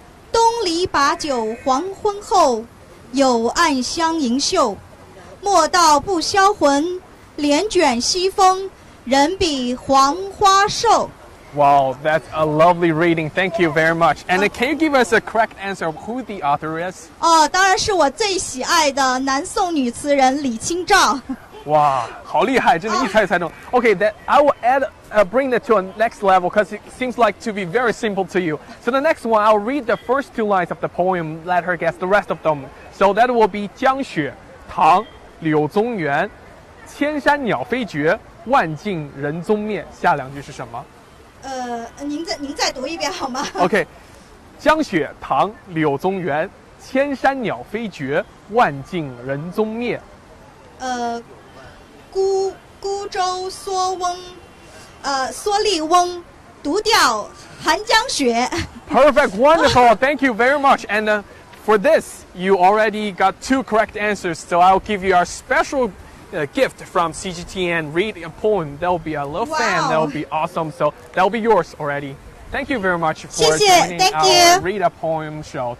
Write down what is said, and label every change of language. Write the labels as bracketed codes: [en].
[zh] 东篱把酒黄昏后，有暗香盈袖。莫道不销魂，帘卷西风，人比黄花瘦。 [en] Wow, that's a lovely reading. Thank you very much. And can you give us a correct answer of who the author is? [zh] 当然是我最喜爱的南宋女词人李清照。哇，好厉害，真的一猜猜中。 [en] Okay, that I will bring that to a next level because it seems like to be very simple to you. So the next one, I'll read the first two lines of the poem, let her guess the rest of them. [zh] So that will be 江雪，唐，柳宗元，千山鸟飞绝，万径人踪灭。下两句是什么？您再读一遍好吗？OK， 江雪，唐，柳宗元，千山鸟飞绝，万径人踪灭。孤舟蓑翁，蓑笠翁，独钓寒江雪。 [en] Perfect, wonderful, thank you very much. And for this, you already got two correct answers. So I'll give you our special gift from CGTN. Read a poem. That'll be a little fan. That'll be awesome. So that'll be yours already. Thank you very much for joining our Read a Poem show.